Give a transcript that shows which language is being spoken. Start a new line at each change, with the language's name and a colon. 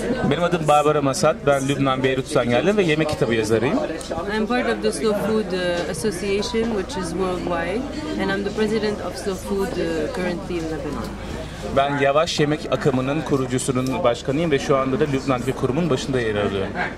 Turkish: Benim adım Barbara Massad. Ben Lübnan, Beyrut'tan geldim ve yemek kitabı yazarıyım.
English: I'm part of the Slow Food Association, which is worldwide, and I'm the president of Slow Food currently in Lebanon.
Turkish: Ben yavaş yemek akımının kurucusunun başkanıyım ve şu anda da Lübnan bir kurumun başında yer alıyorum.